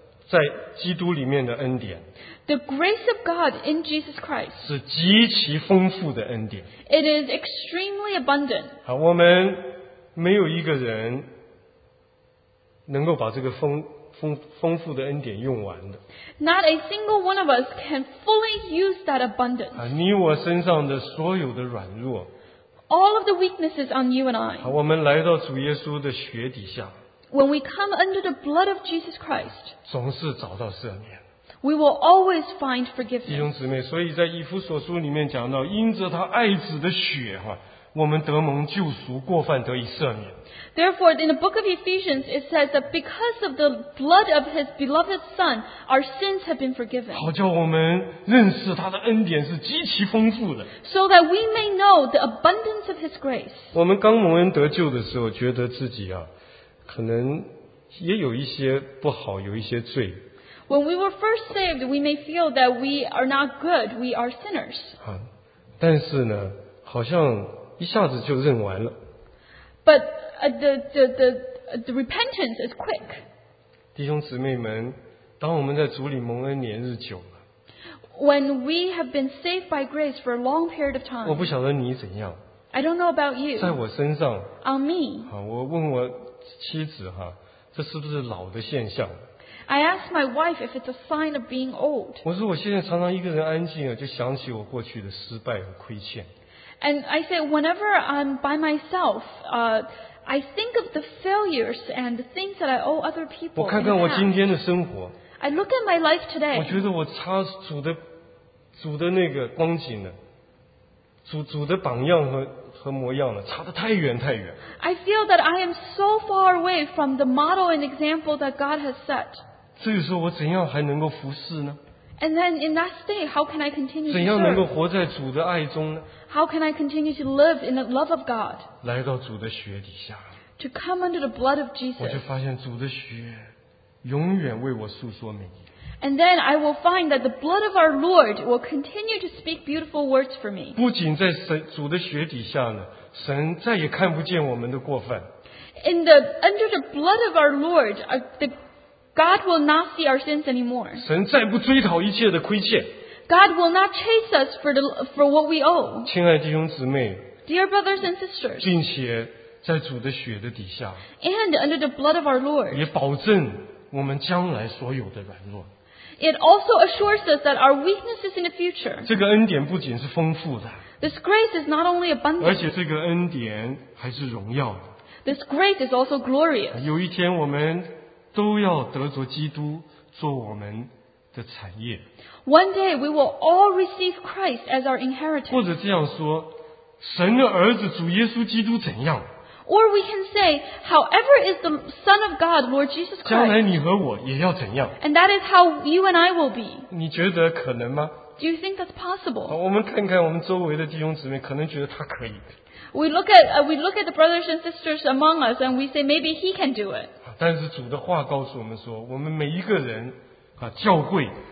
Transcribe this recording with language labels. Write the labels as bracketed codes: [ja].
[zh] 神的在基督里面的恩典, [en] the grace of God in Jesus Christ, [zh] 是极其丰富的恩典, [en] it is extremely abundant. [zh] 好, 没有一个人能够把这个丰富的恩典用完的。 [en] Not a single one of us can fully use that abundance. [zh] 啊, 你我身上的所有的软弱, [en] all of the weaknesses on you and I. [zh] 啊, 我们来到主耶稣的血底下, [en] when we come under the blood of Jesus Christ, [zh] 总是找到赦免。 [en] We will always find forgiveness. [zh] 弟兄姊妹, 所以在以弗所书里面讲到, 因着他爱子的血, 我们得蒙救赎过犯得以赦免。 [en] Therefore, in the book of Ephesians, it says that because of the blood of his beloved son, our sins have been forgiven. [zh] 好叫我们认识他的恩典是极其丰富的。 [en] So that we may know the abundance of his grace. [zh] 我们刚蒙恩得救的时候, 觉得自己啊, 可能也有一些不好, 有一些罪。 [en] When we were first saved, we may feel that we are not good, we are sinners. [zh] 啊, 但是呢, 好像, 一下子就认完了。 [en] But the repentance is quick. [zh] 弟兄姊妹们, 当我们在主里蒙恩年日久了, [en] when we have been saved by grace for a long period of time, [zh] 我不晓得你怎样, [en] I don't know about you. [zh] 在我身上, [en] on me. [zh] 好, 我问我妻子哈, 这是不是老的现象? [en] I asked my wife if it's a sign of being old. [zh] 我说我现在常常一个人安静了, 就想起我过去的失败和亏欠。 [en] And I say, whenever I'm by myself, I think of the failures and the things that I owe other people. [zh] 我看看我今天的生活, [en] I look at my life today. [zh] 我觉得我差主的那个光景了，主的榜样和模样了，差得太远太远。 [en] I feel that I am so far away from the model and example that God has set. [zh] 这个时候我怎样还能够服侍呢？ [en] And then in that state, how can I continue to serve? [zh] 怎样能够活在主的爱中呢？ [en] How can I continue to live in the love of God? [zh] 来到主的血底下, [en] to come under the blood of Jesus. [zh] 我就发现主的血永远为我诉说美意。 [en] And then I will find that the blood of our Lord will continue to speak beautiful words for me. [zh] 不仅在主的血底下呢, 神再也看不见我们的过分。 [en] In the under the blood of our Lord, God will not see our sins anymore. [zh] 神再不追讨一切的亏欠。 [en] God will not chase us for what we owe. [zh] 亲爱弟兄姊妹, [en] dear brothers and sisters, [zh] 并且在主的血的底下, [en] and under the blood of our Lord, [zh] 也保证我们将来所有的软弱。 [en] It also assures us that our weaknesses in the future, [zh] 这个恩典不仅是丰富的, [en] this grace is not only abundant, [zh] 而且这个恩典还是荣耀的。 [en] This grace is also glorious. [zh] 有一天我们都要得着基督做我们的产业。 [en] One day we will all receive Christ as our inheritance. [zh] 或者这样说, 神的儿子主耶稣基督怎样? [en] Or we can say, however is the Son of God, Lord Jesus Christ, [zh] 将来你和我也要怎样? [en] And that is how you and I will be. [zh] 你觉得可能吗? [en] Do you think that's possible? [zh] 我们看看我们周围的弟兄姊妹, 可能觉得他可以。 [en] We look at the brothers and sisters among us and we say maybe he can do it. [zh] 但是主的话告诉我们说, 我们每一个人, 啊, 教会,